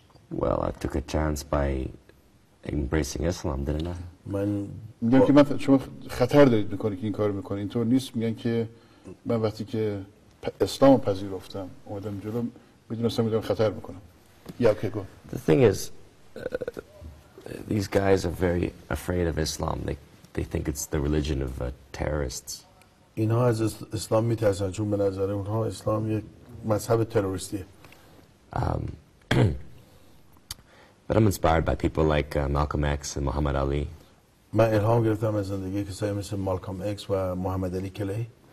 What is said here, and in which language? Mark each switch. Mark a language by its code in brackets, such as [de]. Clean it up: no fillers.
[en] Well, I took a chance by embracing Islam, didn't I? [fa] من میگم که شما خطر دارید میکنید که این کارو میکنید. اینطور نیست. میگن که من وقتی که اسلام رو پذیرفتم اومدم جلو میدونستم میدونم خطر میکنم. [en] Yeah, okay, go. The thing is, these guys are very afraid of Islam. They think it's the religion of terrorists. [fa] اینها از اسلام میترسن چون به نظر اونها اسلام یک مذهب تروریستیه. [en] But I'm inspired by people like Malcolm X and Muhammad Ali. [fa] من الهام گرفتم از زندگی کسایی مثل مالکم اکس و محمد علی کلی.